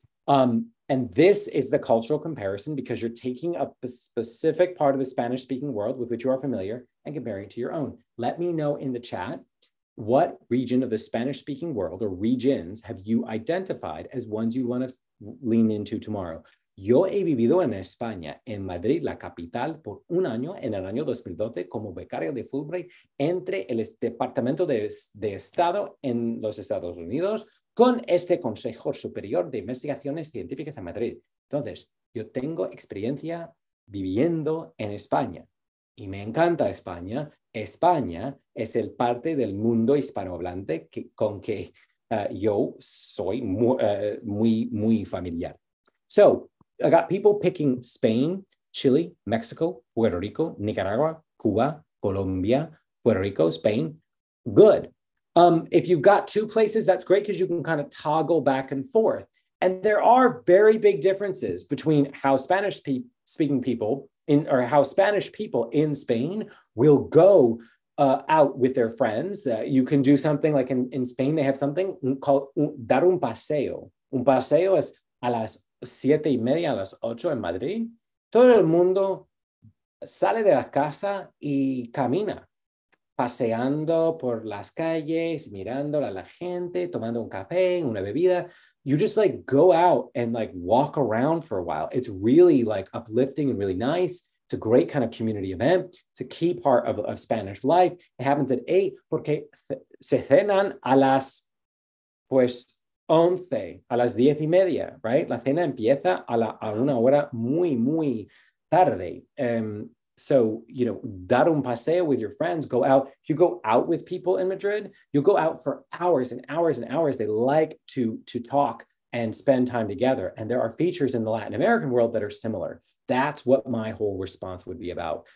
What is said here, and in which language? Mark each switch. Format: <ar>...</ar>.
<en>And this is the cultural comparison because you're taking a specific part of the Spanish speaking world with which you are familiar and comparing it to your own. Let me know in the chat, what region of the Spanish speaking world or regions have you identified as ones you want to lean into tomorrow?</en> <es>Yo he vivido en España, en Madrid, la capital, por un año en el año 2012 como becario de Fulbright entre el Departamento de Estado en los Estados Unidos con este Consejo Superior de Investigaciones Científicas en Madrid. Entonces, yo tengo experiencia viviendo en España y me encanta España. España es el parte del mundo hispanohablante con que yo soy muy familiar.</es> <en>So, I got people picking Spain, Chile, Mexico, Puerto Rico, Nicaragua, Cuba, Colombia, Puerto Rico, Spain. Good. If you've got two places, that's great because you can kind of toggle back and forth. And there are very big differences between how Spanish-speaking people how Spanish people in Spain will go out with their friends. You can do something like in Spain, they have something called</en> <es>dar un paseo. Un paseo es a las 7:30 a las 8 en Madrid, todo el mundo sale de la casa y camina, paseando por las calles, mirando a la gente, tomando un café, una bebida.</es> <en>You just like go out and like walk around for a while. It's really like uplifting and really nice. It's a great kind of community event. It's a key part of Spanish life. It happens at 8</en> <es>porque se cenan a las, pues, 11, a las 10:30,</es> <en>right?</en> <es>La cena empieza a una hora muy, muy tarde. Dar un paseo</es> <en>with your friends, go out. If you go out with people in Madrid, you'll go out for hours and hours and hours. They like to talk and spend time together. And there are features in the Latin American world that are similar. That's what my whole response would be about.</en>